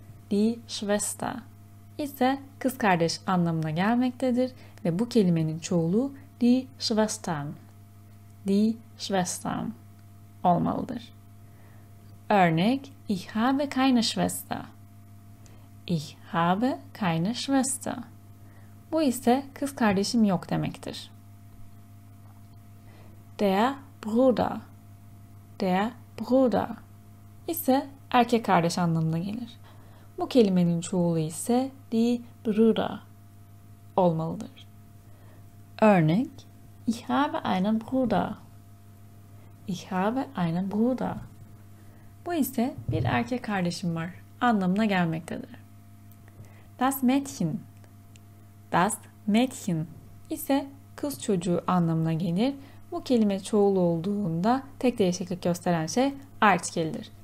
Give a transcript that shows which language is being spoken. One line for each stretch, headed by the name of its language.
Turkish: Die Schwester ise kız kardeş anlamına gelmektedir ve bu kelimenin çoğulu die Schwestern olmalıdır.
German: Örnek: Ich habe keine Schwester.
Turkish: Bu ise kız kardeşim yok demektir. Der Bruder ise erkek kardeş anlamına gelir. Bu kelimenin çoğulu ise die Brüder olmalıdır.
German: Örnek: Ich habe einen Bruder.
Turkish: Bu ise bir erkek kardeşim var anlamına gelmektedir. Das Mädchen ise kız çocuğu anlamına gelir. Bu kelime çoğul olduğunda tek değişiklik gösteren şey artikeldir.